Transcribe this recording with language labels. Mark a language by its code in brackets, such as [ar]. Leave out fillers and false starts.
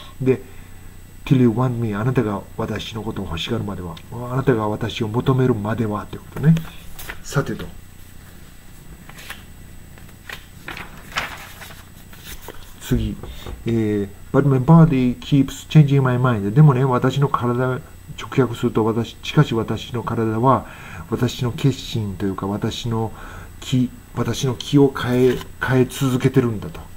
[ja] で、 [en] Till you want me、 [ja] あなたが私のことを欲しがるまでは、あなたが私を求めるまではということね。さてと、次、 [en] But my body keeps changing my mind。 [ja] でもね、私の体、直訳すると、私の体は私の決心というか、私の気を変え続けてるんだと。